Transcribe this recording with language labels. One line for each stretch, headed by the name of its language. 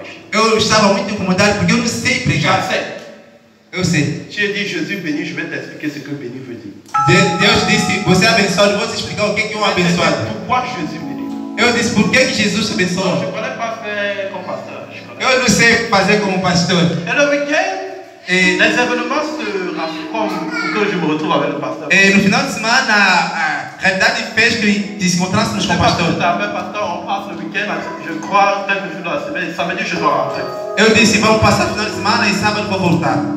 Portuguese: Eu estava muito incomodado porque eu não sei pregar. Eu sei.
French: Tu dis Jésus béni, je vais t'expliquer ce que béni veut dire.
Portuguese: Deus disse, você é abençoado, vou te explicar o que é um abençoado.
French: Pourquoi Jésus béni?
Portuguese: Eu disse, por que Jesus te abençoa?
French: Non, je connais pas faire comme pasteur.
Portuguese: Eu não sei fazer como pastor.
French: Et le week-end, les événements se rassemblent pour que je me retrouve avec le pasteur. Et
Portuguese: no final de semana, a realidade fez que te encontrássemos com o pastor.
French: Pastor, on passe le week-end, je crois quelque chose dans la semaine, et samedi je dois rentrer.
Portuguese: Eu disse, vamos passar o final de semana e sábado vou voltar.